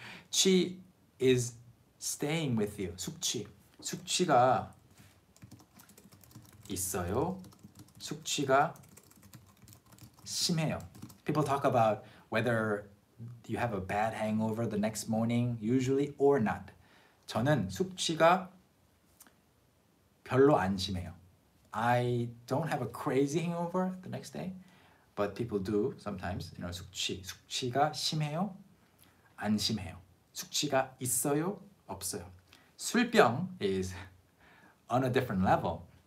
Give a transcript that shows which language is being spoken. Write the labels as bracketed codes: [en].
[en] 취 is staying with you, 숙취. [ko] 숙취가 있어요. 숙취가 심해요. [en] People talk about whether you have a bad hangover the next morning, usually, or not. [ko] 저는 숙취가 별로 안 심해요. [en] I don't have a crazy hangover the next day, but people do sometimes. You know, [ko] 숙취. 숙취가 심해요? 안 심해요? 숙취가 있어요? 없어요? [en] 술병 is on a different level.